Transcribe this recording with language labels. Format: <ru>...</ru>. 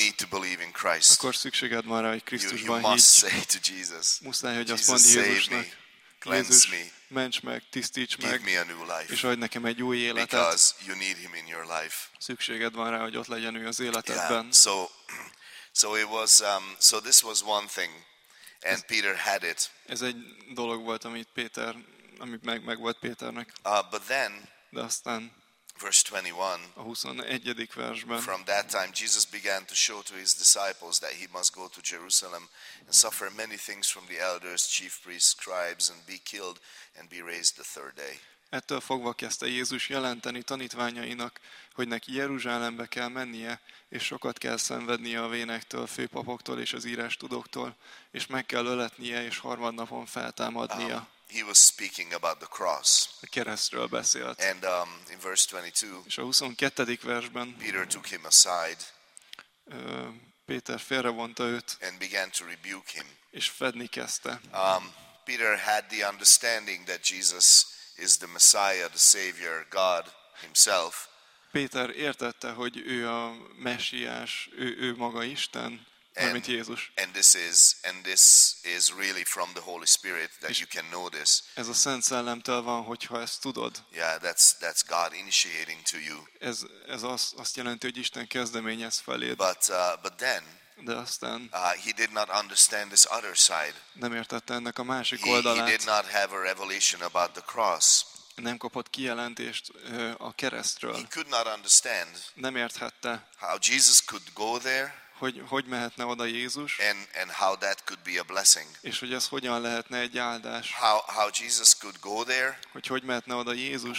<en>you need to believe in Christ.</en> <hu>Akkor szükséged van rá, hogy Krisztusban hígy.</hu> <en>You must say to Jesus,</en> <hu>muszáj, hogy azt mondd Jézusnak, Jézus, ments meg, tisztíts meg,</hu> <en>give me a new life,</en> <hu>és adj nekem egy új életet.</hu> <en>Because you need Him in your life.</en> <hu>Szükséged van rá, hogy ott legyen ő az életedben.</hu> <en>Yeah. So it was. So this was one thing, and Peter had it.</en> <hu>Ez egy dolog volt, amit Péter, amit meg volt Péternek.</hu> <en>But then,</en> <hu>de aztán,</hu> <en>verse 21.</en> <hu>A 21. versben.</hu> <en>From that time, Jesus began to show to his disciples that he must go to Jerusalem and suffer many things from the elders, chief priests, scribes, and be killed and be raised the third day.</en> <hu>Ettől fogva kezdte Jézus jelenteni tanítványainak, hogy neki Jeruzsálembe kell mennie, és sokat kell szenvednie a vénektől, főpapoktól és az írás tudoktól, és meg kell öletnie és harmadnapon feltámadnia.</hu> <en>He was speaking about the cross.</en> <hu>A keresztről beszélt.</hu> <en>And in verse 22.</en> <hu>És a 22. versben.</hu> <en>Peter took him aside.</en> <hu>Péter félrevonta őt.</hu> <en>And began to rebuke him.</en> <hu>És fedni kezdte.</hu> <en>Peter had the understanding that Jesus is the Messiah, the Savior, God himself.</en> <hu>Péter értette, hogy ő a Messiás, ő maga Isten, mint Jézus.</hu> <en>And this is really from the Holy Spirit that you can know this.</en> <hu>Ez a Szent Szellemtől van, hogyha ezt tudod.</hu> <en>Yeah, that's God initiating to you.</en> <hu>Ez azt jelenti, hogy Isten kezdeményez feléd.</hu> <en>But then,</en> <hu>de aztán,</hu> <en>he did not understand this other side.</en> <hu>Nem értette ennek a másik oldalát.</hu> <en>He did not have a revelation about the cross.</en> <hu>Nem kapott kijelentést a keresztről.</hu> <en>He could not understand</en> <hu>nem érthette,</hu> <en>how Jesus could go there,</en> <hu>hogy mehetne oda Jézus?</hu> <en>And how that could be a blessing.</en> <hu>És hogy ez hogyan lehetne egy áldás?</hu> <en>How Jesus could go there?</en> <hu>Hogy mehetne oda Jézus?</hu>